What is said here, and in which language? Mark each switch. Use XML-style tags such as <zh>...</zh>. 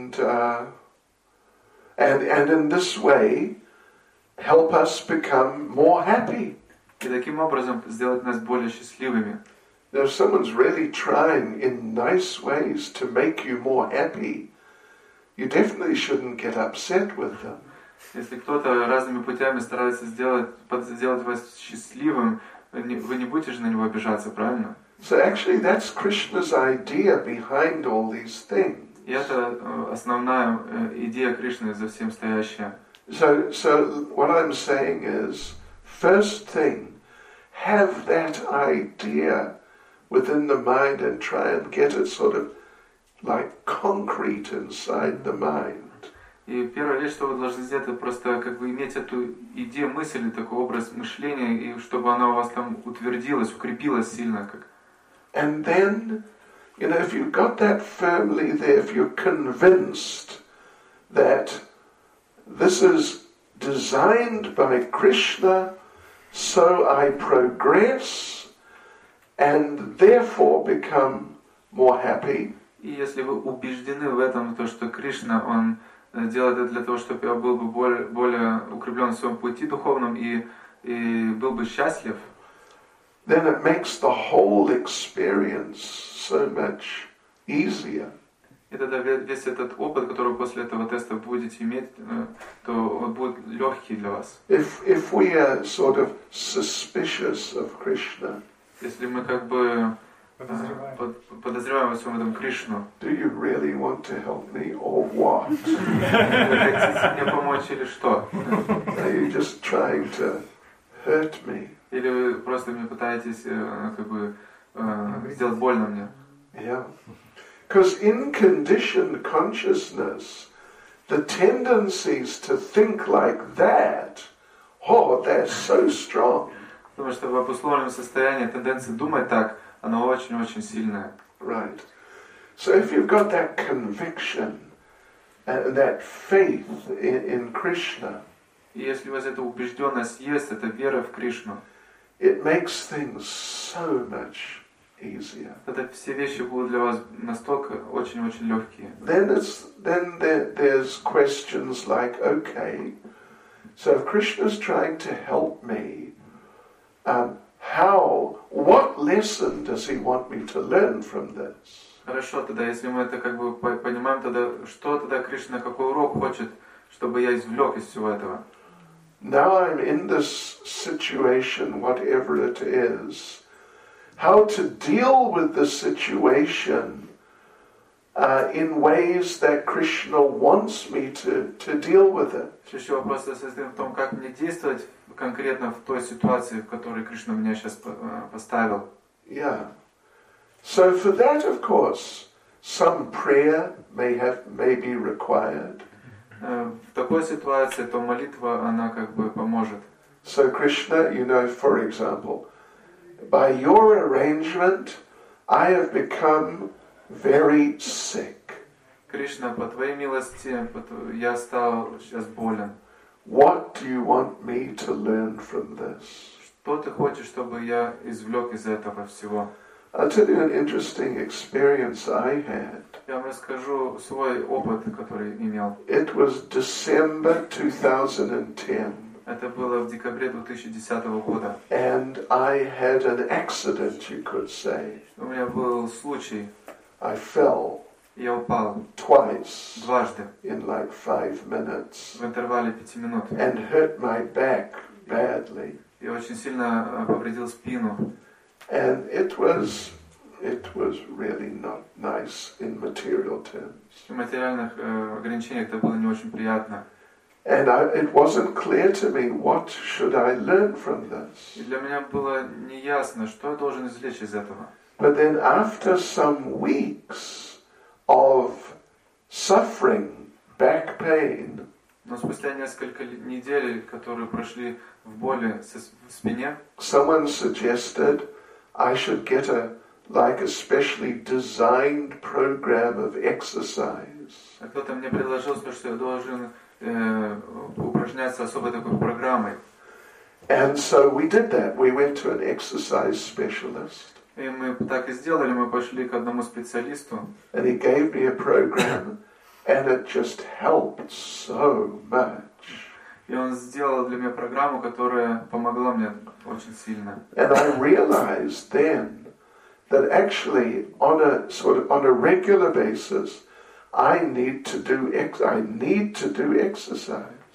<en>And in this way help us become more happy.</en> <ru>И таким образом сделать нас более счастливыми.</ru> <en>Now, if someone's really trying in nice ways to make you more happy, you definitely shouldn't get upset with them.</en> <ru>Если кто-то разными путями старается сделать вас счастливым, вы не будете же на него обижаться, правильно?</ru> <en>So actually that's Krishna's idea behind all these things.</en> <ru>И это основная идея Кришны за всем стоящая.</ru> <en>So what I'm saying is, first thing, have that idea within the mind and try and get it sort of like concrete inside the mind.</en> <ru>И первое, что вы должны сделать, это просто как бы иметь эту идею мысли, такой образ мышления, и чтобы она у вас там утвердилась, укрепилась сильно. Как.</ru> <en>And then, you know, if you've got that firmly there, if you're convinced that this is designed by Krishna, so I progress and therefore become more happy.</en> <ru>И если вы убеждены в этом, то что Кришна, он делает это для того, чтобы я был бы более укреплен в своем пути духовном и был бы счастлив.</ru> <en>Then it makes the whole experience so much easier.</en> <ru>И тогда весь этот опыт, который после этого теста будете иметь, то он будет легкий для вас.</ru> <en>If we are sort of suspicious of Krishna,</en> <ru>если мы как бы подозреваем во всем этом Кришну,</ru> <en>do you really want to help me or what?</en> <ru>Вы хотите мне помочь или что?</ru> <en>Are you just trying to hurt me?</en> <ru>Или вы просто мне пытаетесь как бы сделать больно мне?</ru> <en>Yeah. Because in conditioned consciousness, the tendencies to think like that, oh, they're so strong.</en> <ru>Потому что в обусловленном состоянии тенденция думать так, она очень-очень сильная.</ru> <en>Right. So if you've got that conviction, that faith in Krishna,</en> <ru>и если у вас эта убежденность есть, эта вера в Кришну,</ru> <en>it makes things so much easier.</en> <ru>Это все вещи будут для вас настолько очень-очень легкие.</ru> <en>Then there's questions like, okay, so if Krishna's trying to help me, how, what lesson does he want me to learn from this?</en> <ru>Хорошо, тогда если мы это как бы понимаем, тогда что тогда Кришна, какой урок хочет, чтобы я извлек из всего этого?</ru> <en>Now I'm in this situation, whatever it is. How to deal with the situation in ways that Krishna wants me to deal with it.</en> <ru>Следующий вопрос состоит в том, как мне действовать конкретно в той ситуации, в которой Кришна меня сейчас поставил.</ru> <en>Yeah. So for that, of course, some prayer may be required.</en> <ru>В такой ситуации, то молитва, она как бы поможет.</ru> <en>So Krishna, you know, for example, by your arrangement, I have become very sick.</en> <ru>Кришна, по твоей милости, я стал сейчас болен.</ru> <en>What do you want me to learn from this?</en> <ru>Что ты хочешь, чтобы я извлек из этого всего?</ru> <en>I'll tell you an interesting experience I had.</en> <ru>Я вам расскажу свой опыт, который имел.</ru> <en>It was December 2010.</en> <ru>Это было в декабре 2010 года.</ru> <en>And I had an accident, you could say.</en> <ru>У меня был случай.</ru> <en>I fell.</en> <ru>Я упал.</ru> <en>Twice.</en> <ru>Дважды.</ru> <en>In like 5 minutes.</en> <ru>В интервале 5 минут.</ru> <en>And hurt my back badly.</en> <ru>Я очень сильно повредил спину.</ru> <en>And it was really not nice in material terms.</en> <ru>В материальных ограничениях это было не очень приятно.</ru> <en>And it wasn't clear to me what should I learn from this.</en> <ru>И для меня было неясно, что я должен извлечь из этого.</ru> <en>But then after some weeks of suffering back pain.</en> <ru>Но спустя несколько недель, которые прошли в боли в спине.</ru> <en>Someone suggested I should get a like a specially designed program of exercise.</en> <ru>Кто-то мне предложил, что я должен упражняться особой такой программой.</ru> <en>And so we did that. We went to an exercise specialist.</en> <ru>И мы так и сделали. Мы пошли к одному специалисту.</ru> <en>And he gave me a program, and it just helped so much.</en> <ru>И он сделал для меня программу, которая помогла мне очень сильно.</ru> <en>And I realized then that actually on a sort of on a regular basis I need to do exercise.</en>